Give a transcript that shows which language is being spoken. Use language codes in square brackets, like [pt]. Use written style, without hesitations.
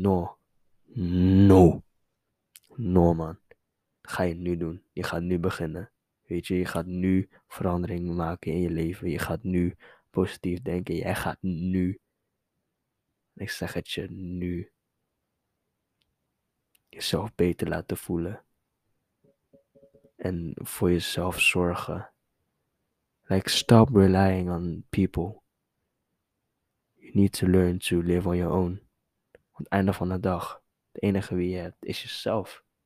[nl] No. No. No, man. Dat ga je nu doen. Je gaat nu beginnen. Weet je, je gaat nu verandering maken in je leven. Je gaat nu positief denken. Jij gaat nu. Ik zeg het je nu. Jezelf beter laten voelen. En voor jezelf zorgen. [en] Like, stop relying on people. You need to learn to live on your own. [nl] Aan het einde van de dag. Het enige wie je hebt is jezelf.